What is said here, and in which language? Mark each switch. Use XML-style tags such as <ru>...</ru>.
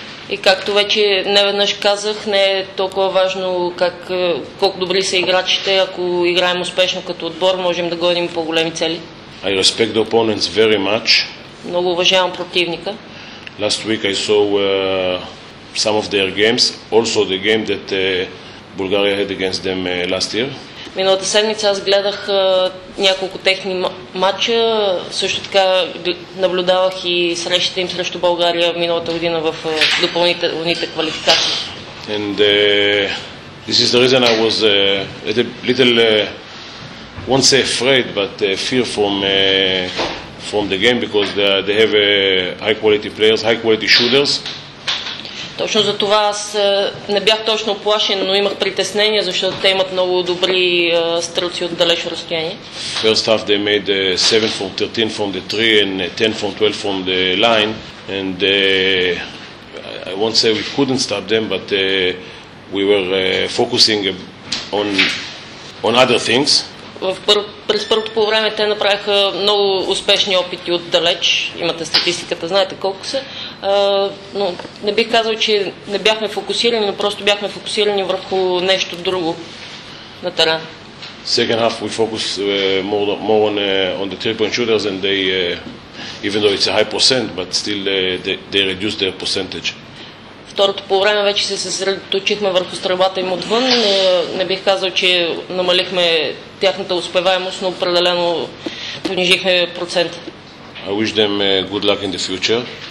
<bg>И както вече неведнъж казах, не е толкова важно как колко добри са играчите, ако играем успешно като отбор, можем да гоним по-големи цели.</bg> <en>I respect the opponents very much.</en> <bg>Много уважавам противника.</bg> <en>Last week I saw some of their games, also the game that Bulgaria had against them last year.</en> <bg>Миналата седмица аз гледах няколко техни матча, също така наблюдавах и срещите им срещу България миналата година в допълнителните квалификации.</bg> <en>And this is the reason I was a little won't say afraid, but fear from the game because they have high quality players, high quality shooters.</en> <bg>Точно за това аз не бях точно оплашен, но имах притеснение, защото те имат много добри стрелци от далечно разстояние.</bg> <en>First half they made 7 from 13 from the 3 and 10 from 12 from the line and I won't say we couldn't stop them, but we were focusing on other things.</en> <bg>През първото по време те направиха много успешни опити отдалеч. Имате статистиката, знаете колко са. Но не бих казал, че не бяхме фокусирани, но просто бяхме фокусирани върху нещо друго на терен.</bg> <en>Second half we focus more on the three-point shooters and they even though it's a high percent, but still they reduced their percentage.</en> <bg>Второто по време вече се съсредоточихме върху стрелбата им отвън. Не бих казал, че намалихме тяхната успеваемост, но определено понижихме процента.</bg> <en>I wish them good luck in the future.</en>